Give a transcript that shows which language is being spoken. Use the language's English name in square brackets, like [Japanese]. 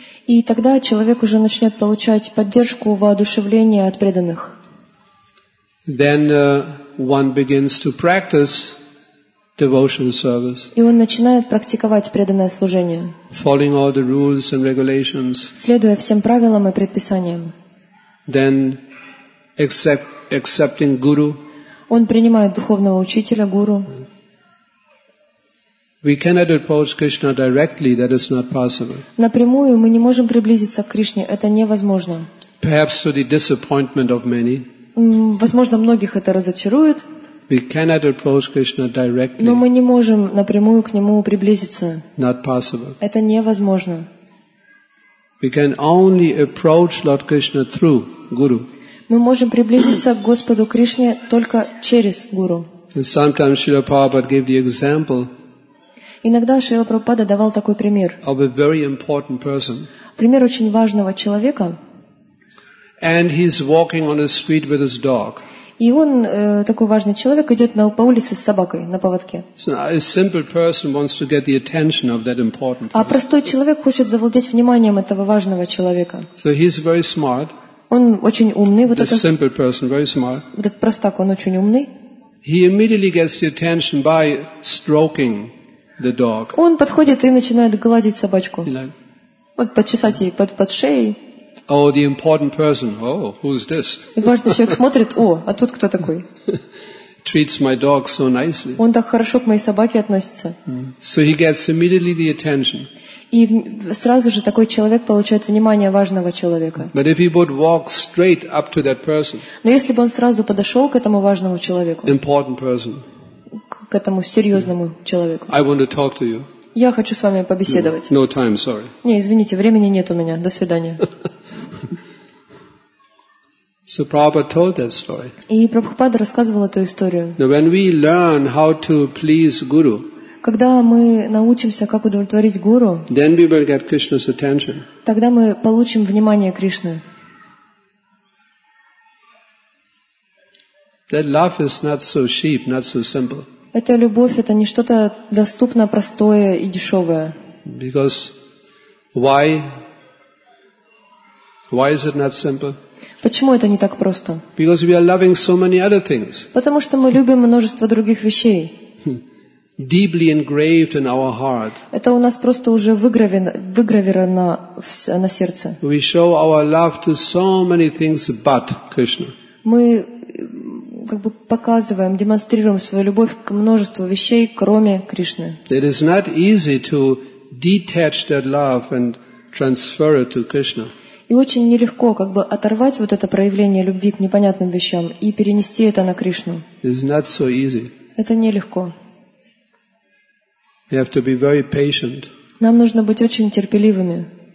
[Russian] И тогда человек уже начнет получать поддержку, воодушевление от преданных. [English] Then one begins to practice devotional service. [Russian] И он начинает практиковать преданное служение. [English] Following all the rules and regulations. [Russian] Следуя всем правилам и предписаниям. [English] Then accepting guru. [Russian] Он принимает духовного учителя, гуру. [English] We cannot approach Krishna directly, that is not possible. [Russian] Напрямую мы не можем приблизиться к Кришне, это невозможно. [English] Perhaps to the disappointment of many. [Russian] Возможно, многих это разочарует. [English] We cannot approach Krishna directly. [Russian] Но мы не можем напрямую к нему приблизиться. [English] Not possible. [Russian] Это невозможно. [English] We can only approach Lord Krishna through Guru. [Russian] Мы можем приблизиться к Господу Кришне только через Гуру. [English] And sometimes Srila Prabhupada gave the example. [Russian] Иногда Шрила Прабхупада давал такой пример. [English] Of a very important person. [Russian] Пример очень важного человека. [English] And he's walking on a street with his dog. [Russian] И он, такой важный человек, идет по улице с собакой на поводке. [English] A simple person wants to get the attention of that important person. [Russian] А простой человек хочет завладеть вниманием этого важного человека. [English] So he's very smart. [Russian] Он очень умный. Вот [English] a simple person, very smart. [Russian] Вот этот простак, он очень умный. [English] He immediately gets the attention by stroking the dog. [Russian] Он подходит и начинает гладить собачку. Вот почесать ей под шеей. [English] Oh, the important person. Oh, who is this? [Russian] Важный человек смотрит. О, а тут кто такой? [English] Treats my dog so nicely. [Russian] Он так хорошо к моей собаке относится. [English] So he gets immediately the attention. [Russian] И сразу же такой человек получает внимание важного человека. [English] But if he would walk straight up to that person. [Russian] Но если бы он сразу подошел к этому важному человеку. [English] Important person. [Russian] К этому серьезному человеку. [English] I want to talk to you. [Russian] Я хочу с вами побеседовать. [English] No time, sorry. [Russian] Не, извините, времени нет у меня. До свидания. [English] So Prabhupada told that story. [Russian] И Прабхупада рассказывал эту историю. [English] Now, when we learn how to please Guru, [Russian] когда мы научимся, как удовлетворить Гуру, [English] then we will get Krishna's attention. [Russian] Тогда мы получим внимание Кришны. [English] That love is not so cheap, not so simple. [Russian] Эта любовь — это не что-то доступно, простое и дешевое. [English] Because why? Why is it not simple? [Russian] Почему это не так просто? [English] Because we are loving so many other things. [Russian] Потому что мы любим множество других вещей. [English] Deeply engraved in our heart. [Russian] Это у нас просто уже выгравировано на сердце. [English] We show our love to so many things but Krishna. [Russian] Мы как бы показываем, демонстрируем свою любовь к множеству вещей, кроме Кришны. [English] It is not easy to detach that love and transfer it to Krishna. [Russian] И очень нелегко как бы оторвать вот это проявление любви к непонятным вещам и перенести это на Кришну. [English] It's not so easy. [Russian] Это нелегко. [English] You have to be very patient. [Russian] Нам нужно быть очень терпеливыми.